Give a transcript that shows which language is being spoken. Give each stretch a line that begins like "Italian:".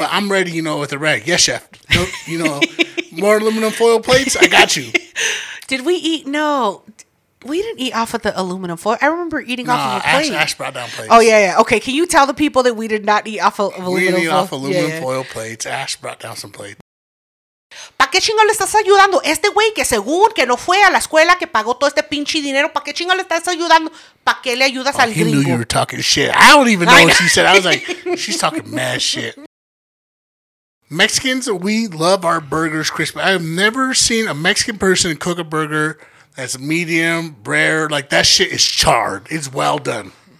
English: But I'm ready, you know, with a rag. Yes, chef. No, you know, more aluminum foil plates? I got you. Did we eat? No. We didn't eat off of the aluminum foil. I remember eating off of your plate. Ash brought down plates. Oh, yeah. Okay. Can you tell the people that we did not eat off of aluminum foil? We didn't eat off aluminum foil plates. Ash brought down some plates.
Spanish: ¿Para qué chingo le estás ayudando? Este güey que según que no fue a la escuela, que pagó todo este pinche dinero, ¿para qué chingo le estás ayudando? ¿Para qué le ayudas al gringo?
English: He knew you were talking shit. I don't even know what she said. I was like, she's talking mad shit. Mexicans, we love our burgers crispy. I have never seen a Mexican person cook a burger that's medium, rare. Like, that shit is charred. It's well done.